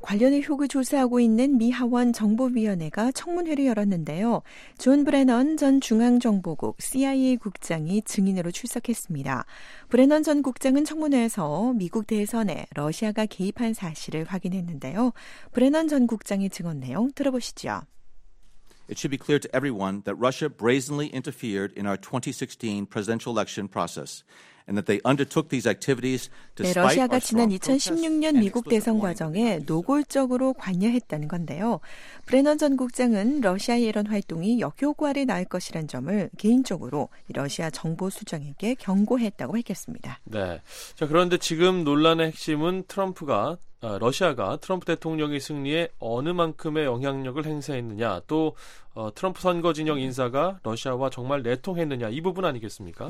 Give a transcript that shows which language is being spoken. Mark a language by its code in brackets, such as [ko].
[ko] 관련 의혹을 조사하고 있는 미 하원 정보위원회가 청문회를 열었는데요. 존 브래넌 전 중앙정보국 CIA 국장이 증인으로 출석했습니다. 브래넌 전 국장은 청문회에서 미국 대선에 러시아가 개입한 사실을 확인했는데요. 브래넌 전 국장의 증언 내용 들어보시죠. [en] It should be clear to everyone that Russia brazenly interfered in our 2016 presidential election process and that they undertook these activities despite [ko] 네, 러시아가 지난 2016년 미국 대선 과정에 노골적으로 관여했다는 건데요. 브래넌 전 국장은 러시아의 이런 활동이 역효과를 낳을 것이라는 점을 개인적으로 러시아 정보 수장에게 경고했다고 밝혔습니다. 네. 자, 그런데 지금 논란의 핵심은 트럼프가 러시아가 트럼프 대통령의 승리에 어느 만큼의 영향력을 행사했느냐, 또 트럼프 선거 진영 인사가 러시아와 정말 내통했느냐, 이 부분 아니겠습니까?